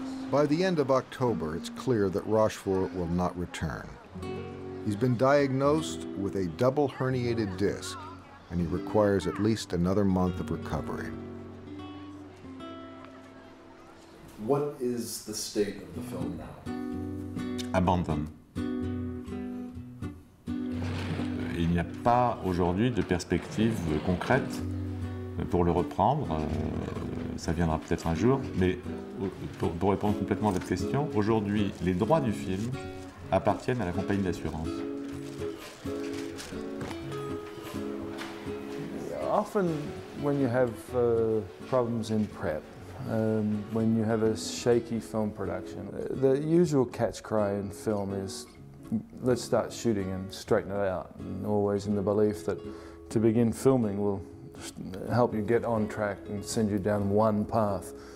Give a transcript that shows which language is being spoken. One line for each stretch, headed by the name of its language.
English: By the end of October, it's clear that Rochefort will not return. He's been diagnosed with a double herniated disc, and he requires at least another month of recovery. What is the state of the film now?
French: Abandonne. Il n'y a pas aujourd'hui de perspective concrète pour le reprendre. Ça viendra peut-être un jour, mais pour répondre complètement à votre question, aujourd'hui, les droits du film appartiennent à la compagnie d'assurance.
English: Often, when you have problems in prep, when you have a shaky film production, the usual catch cry in film is, let's start shooting and straighten it out, and always in the belief that to begin filming will help you get on track and send you down one path.